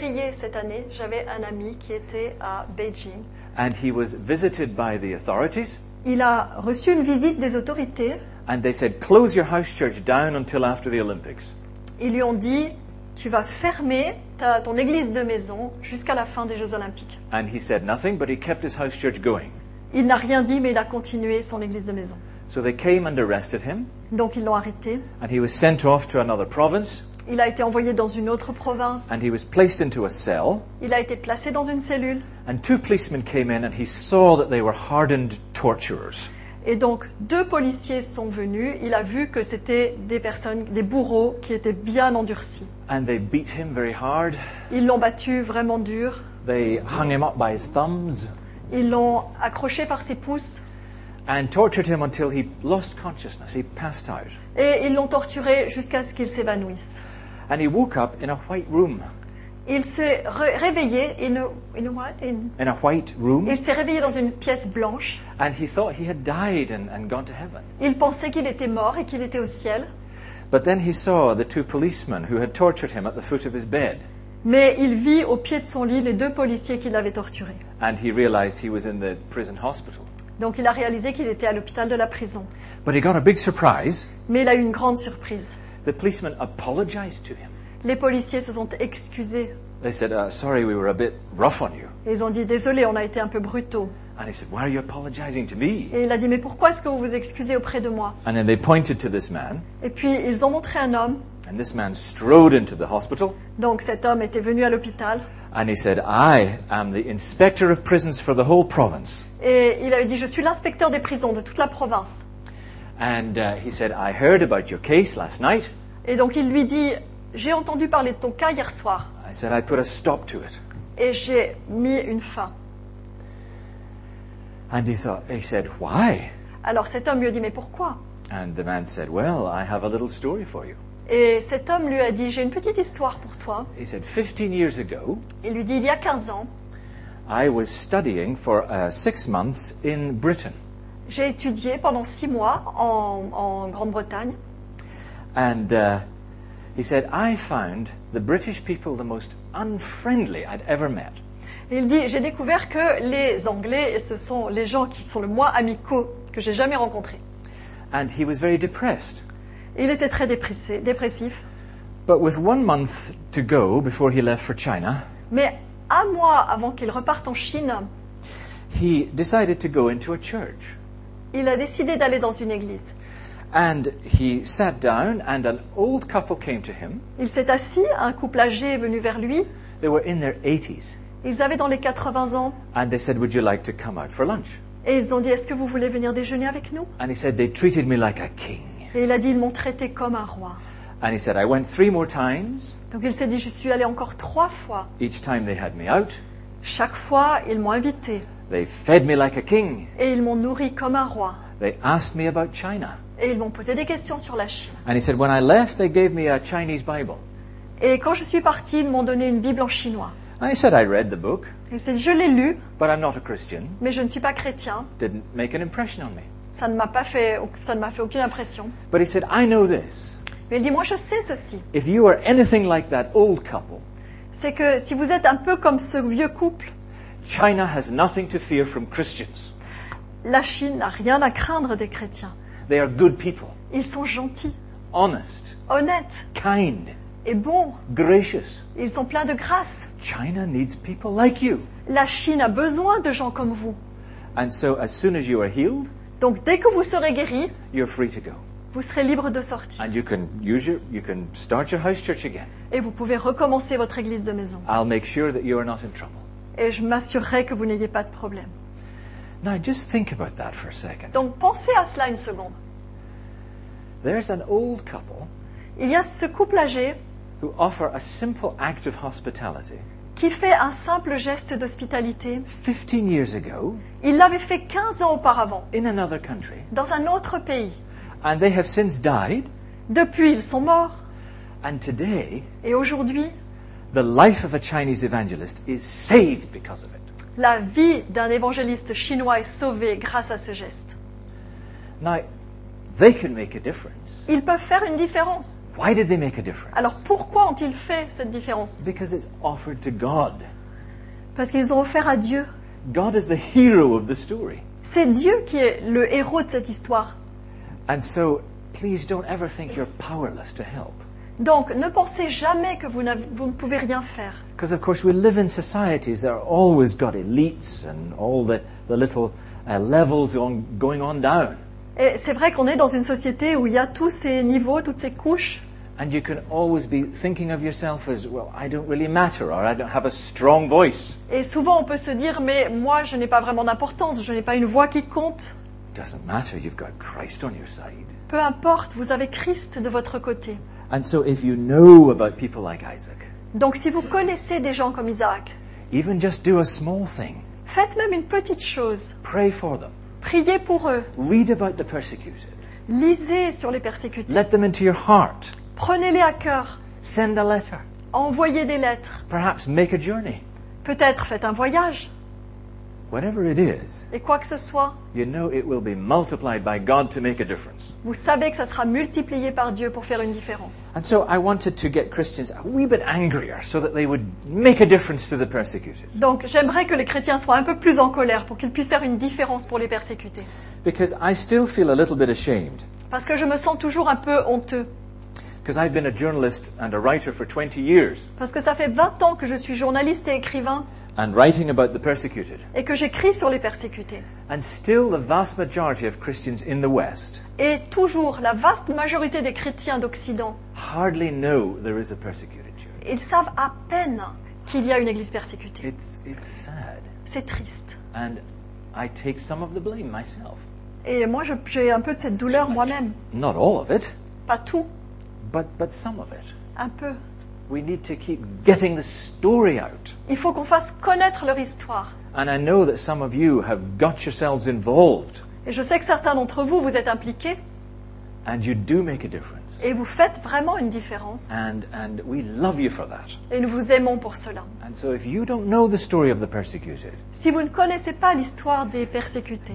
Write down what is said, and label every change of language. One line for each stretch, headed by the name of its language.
French: cette année, j'avais un ami qui était à Beijing.
English: And he was visited by the authorities.
French: Il a reçu une visite des autorités.
English: And they said, close your house church down until after the Olympics.
French: Ils lui ont dit, tu vas fermer ton église de maison jusqu'à la fin des Jeux Olympiques.
English: And he said nothing, but he kept his house church going.
French: Il n'a rien dit, mais il a continué son église de maison.
English: So they came and arrested him.
French: Donc ils l'ont arrêté.
English: And he was sent off to another province.
French: Il a été envoyé dans une autre province.
English: And he was placed into a cell.
French: Il a été placé dans une cellule.
English: And two policemen came in and he saw that they were hardened torturers.
French: Et donc, deux policiers sont venus. Il a vu que c'était des personnes, des bourreaux qui étaient bien endurcis.
English: And they beat him very hard.
French: Ils l'ont battu vraiment dur.
English: They hung him up by his thumbs.
French: Ils l'ont accroché par ses pouces.
English: And tortured him until he lost consciousness. He passed out.
French: Et ils l'ont torturé jusqu'à ce qu'il s'évanouisse.
English: And he woke up in a white room.
French: Il s'est réveillé
English: in a white room.
French: Il s'est réveillé dans une pièce blanche.
English: And he thought he had died and gone to heaven.
French: Il pensait qu'il était mort et qu'il était au ciel.
English: But then he saw the two policemen who had tortured him at the foot of his bed.
French: Mais il vit au pied de son lit les deux policiers qui l'avaient torturé.
English: And he realized he was in the prison hospital.
French: Donc il a réalisé qu'il était à l'hôpital de la prison.
English: But he got a big surprise.
French: Mais il a eu une grande surprise.
English: The policeman apologized to him.
French: Les policiers se sont excusés.
English: They said, sorry, we were a bit rough on you.
French: Ils ont dit, désolé, on a été un peu brutaux.
English: And he said, why are you apologizing to me?
French: Et il a dit, mais pourquoi est-ce que vous vous excusez auprès de moi?
English: And then they pointed to this man.
French: Et puis, ils ont montré un homme.
English: And this man strode into the hospital.
French: Donc, cet homme était venu à l'hôpital.
English: And he said, I am the inspector of prisons for the whole province.
French: Et il avait dit, je suis l'inspecteur des prisons de toute la province.
English: And he said, I heard about your case last night.
French: Et donc, il lui dit, j'ai entendu parler de ton cas hier soir.
English: I said I put a stop to it.
French: Et j'ai mis une fin.
English: And he said, why?
French: Alors cet homme lui a dit, mais pourquoi?
English: And the man said, well, I have a little story for you.
French: Et cet homme lui a dit, j'ai une petite histoire pour toi.
English: He said, 15 years ago,
French: il lui dit, il y a 15 ans,
English: I was studying for 6 months in Britain.
French: J'ai étudié pendant 6 mois en Grande-Bretagne.
English: And he said, I found the British people the most unfriendly I'd ever met.
French: Et il dit, j'ai découvert que les Anglais, ce sont les gens qui sont le moins amicaux que j'ai jamais rencontrés.
English: And he was very depressed.
French: Il était très dépressif.
English: But with 1 month to go before he left for China,
French: mais un mois avant qu'il reparte en Chine,
English: he decided to go into a church.
French: Il a décidé d'aller dans une église.
English: And he sat down and an old couple came to him.
French: Il s'est assis, un couple âgé est venu vers lui.
English: They were in their 80s.
French: Ils avaient dans les 80 ans.
English: And they said, would you like to come out for lunch?
French: Et ils ont dit, est-ce que vous voulez venir déjeuner avec nous?
English: And he said, they treated me like a king.
French: Et il a dit, ils m'ont traité comme un roi.
English: And he said, I went 3 more times.
French: Donc il s'est dit, je suis allé encore 3 fois.
English: Each time they had me out.
French: Chaque fois, ils m'ont invité.
English: They fed me like a king.
French: Et ils m'ont nourri comme un roi.
English: They asked me about China.
French: Et ils m'ont posé des questions sur la Chine.
English: And he said, when I left, they gave me a Chinese Bible.
French: Et quand je suis parti, ils m'ont donné une Bible en chinois.
English: And he said, I read the book.
French: Il s'est dit, je l'ai lu.
English: But I'm not a Christian.
French: Mais je ne suis pas chrétien.
English: Didn't make an impression on me.
French: Ça ne m'a fait aucune impression.
English: But he said, I know this.
French: Mais il dit, moi je sais ceci.
English: If you are anything like that old couple,
French: c'est que si vous êtes un peu comme ce vieux couple,
English: China has nothing to fear from Christians.
French: La Chine n'a rien à craindre des chrétiens.
English: They are good people.
French: Ils sont gentils.
English: Honest.
French: Honnêtes.
English: Kind.
French: Et bons.
English: Gracious.
French: Ils sont pleins de grâce.
English: China needs people like you.
French: La Chine a besoin de gens comme vous.
English: And so as soon as you are healed,
French: donc dès que vous serez guéri,
English: you're free to go.
French: Vous serez libre de sortir.
English: And you can use you can start your house church again.
French: Et vous pouvez recommencer votre église de maison.
English: I'll make sure that you are not in trouble.
French: Et je m'assurerai que vous n'ayez pas de problème.
English: Now just think about that for a second.
French: Donc pensez à cela une seconde.
English: There's an old couple.
French: Il y a ce couple âgé
English: who offer a simple act of hospitality.
French: Qui fait un simple geste d'hospitalité.
English: 15 years ago.
French: Il l'avait fait 15 ans auparavant.
English: In another country.
French: Dans un autre pays.
English: And they have since died.
French: Depuis ils sont morts.
English: And today.
French: Et aujourd'hui.
English: The life of a Chinese evangelist is saved because of it.
French: La vie d'un évangéliste chinois est sauvée grâce à ce geste.
English: Now, they can make a difference.
French: Ils peuvent faire une différence.
English: Why did they make a difference?
French: Alors pourquoi ont-ils fait cette différence?
English: Because it's offered to God.
French: Parce qu'ils ont offert à Dieu.
English: God is the hero of the story.
French: C'est Dieu qui est le héros de cette histoire.
English: And so, please don't ever think you're powerless to help.
French: Donc, ne pensez jamais que vous ne pouvez rien faire.
English: Because of course we live in societies that are always got elites and all the little levels going on down.
French: Et c'est vrai qu'on est dans une société où il y a tous ces niveaux, toutes ces couches.
English: And you can always be thinking of yourself as, well, I don't really matter or I don't have a strong voice.
French: Et souvent on peut se dire, mais moi je n'ai pas vraiment d'importance, je n'ai pas une voix qui compte.
English: Doesn't matter, you've got Christ on your side.
French: Peu importe, vous avez Christ de votre côté.
English: And so if you know about people like Isaac.
French: Donc si vous connaissez des gens comme Isaac.
English: Even just do a small thing.
French: Faites même une petite chose.
English: Pray for them.
French: Priez pour eux.
English: Read about the persecuted.
French: Lisez sur les persécutés.
English: Let them into your heart.
French: Prenez-les à cœur.
English: Send a letter.
French: Envoyez des lettres.
English: Perhaps make a journey.
French: Peut-être faites un voyage.
English: Whatever it is.
French: Et quoi que ce soit.
English: You know it will be multiplied by God to make a difference.
French: Vous savez que ça sera multiplié par Dieu pour faire une différence.
English: And so I wanted to get Christians a wee bit angrier so that they would make a difference to the persecuted.
French: Donc j'aimerais que les chrétiens soient un peu plus en colère pour qu'ils puissent faire une différence pour les persécutés.
English: Because I still feel a little bit ashamed.
French: Parce que je me sens toujours un peu honteux.
English: Because I've been a journalist and a writer for 20 years.
French: Parce que ça fait 20 ans que je suis journaliste et écrivain.
English: And writing about the persecuted.
French: Et que j'écris sur les persécutés.
English: And still the vast majority of Christians in the West.
French: Et toujours la vaste majorité des chrétiens d'Occident.
English: Hardly know there is a persecuted church.
French: Ils savent à peine qu'il y a une église persécutée.
English: It's sad.
French: C'est triste.
English: And I take some of the blame myself.
French: Et moi j'ai un peu de cette douleur moi-même.
English: Not all of it.
French: Pas tout.
English: But some of it.
French: un peu.
English: We need to keep getting the story out.
French: Il faut qu'on fasse connaître leur histoire.
English: And I know that some of you have got yourselves involved.
French: Et je sais que certains d'entre vous vous êtes impliqués.
English: And you do make a difference.
French: Et vous faites vraiment une différence.
English: And we love you for that.
French: Et nous vous aimons pour cela.
English: And so if you don't know the story of the persecuted,
French: si vous ne connaissez pas l'histoire des persécutés,